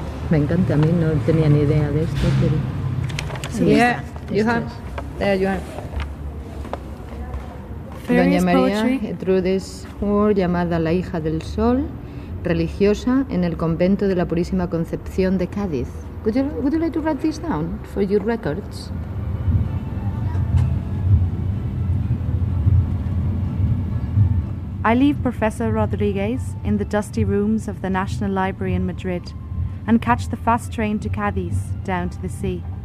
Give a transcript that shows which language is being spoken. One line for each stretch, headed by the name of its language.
Spanish: Me encanta, a mí no tenía ni idea de esto, pero... Sí.
English: Yeah, you have, there you have.
Spanish: Doña María Gertrudis Hoare, llamada la hija del sol, religiosa en el convento de la Purísima Concepción de Cádiz.
English: Would you like to write this down for your records? I leave Professor Rodriguez in the dusty rooms of the National Library in Madrid and catch the fast train to Cadiz, down to the sea.